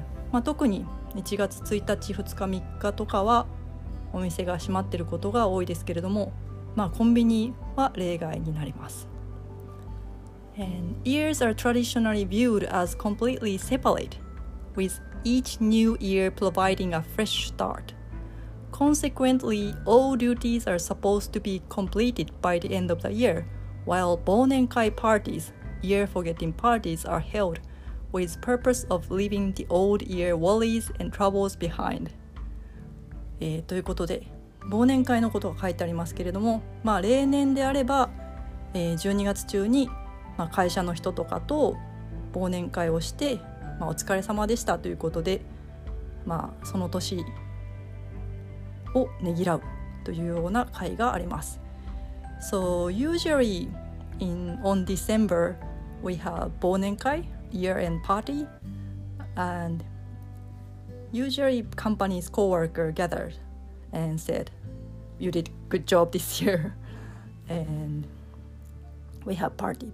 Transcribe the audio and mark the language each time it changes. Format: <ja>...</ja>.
<ja>まあ、特に1月1日、2日、3日とかはお店が閉まっていることが多いですけれども、まあ、コンビニは例外になります。</ja> <en>And years are traditionally viewed as completely separate, with each new year providing a fresh start. Consequently, all duties are supposed to be completed by the end of the year, while 忘年会 parties, year forgetting parties are held, with purpose of leaving the old year worries and troubles behind.</en> <ja>ということで忘年会のことが書いてありますけれども、まあ、例年であれば、12月中に、まあ、会社の人とかと忘年会をして、まあ、お疲れ様でしたということで、まあ、その年をねぎらうというような会があります。</ja> <en>So usually on December we have 忘年会 year end party andUsually company's co-worker gathered and said, you did good job this year and we have party.</en>